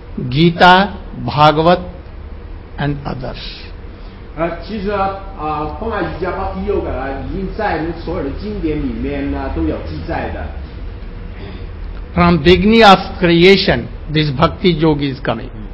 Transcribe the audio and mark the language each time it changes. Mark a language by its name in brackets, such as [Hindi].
[English] Gita, Bhagavat, and others. [Chinese] 其实啊，通常瑜伽 Bhakti Yoga 已经在所有的经典里面呢都有记载的。 [English] From beginning of creation, this Bhakti Yoga is coming.